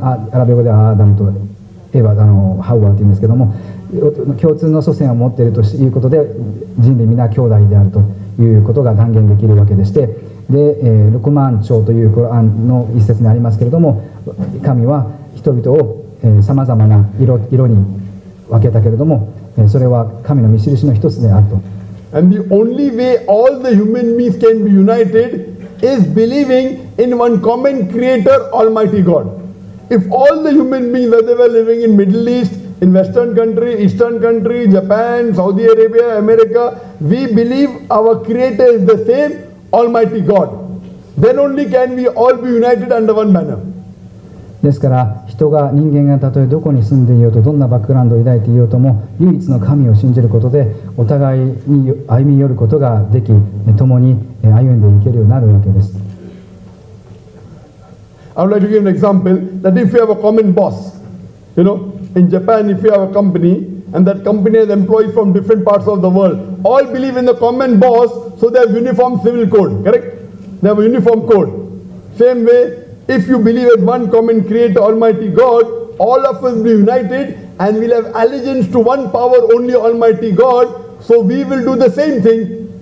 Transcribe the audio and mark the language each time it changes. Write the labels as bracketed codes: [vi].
[ja] アラビア語ではアダムとエヴァ、ハウアーというんですけども、共通の祖先を持っているということで、人類皆兄弟であるということが断言できるわけでして、で、ルクマン朝というコランの一節にありますけれども、神は人々をさまざまな 色に分けたけれども、それは神の見印の一つであると。 [en] And the only way all the human beings can be united is believing in one common creator, Almighty God. If all the human beings, whether they were living in Middle EastIn Western country, Eastern country, Japan, Saudi Arabia, America, we believe our Creator is the same Almighty God. Then only can we all be united under one banner. [ja] ですから、人間がたとえどこに住んでいようと、どんなバックグラウンドを抱いていようとも、唯一の神を信じることで、お互いに歩み寄ることができ、共に歩んでいけるようになるわけです。 [en] I would like to give an example that if you have a common boss, you know. In Japan, if you have a company, and that company has employees from different parts of the world, all believe in the common boss, so they have uniform civil code, correct? They have a uniform code. Same way, if you believe in one common creator, Almighty God, all of us will be united, and we'll have allegiance to one power, only Almighty God, so we will do the same thing.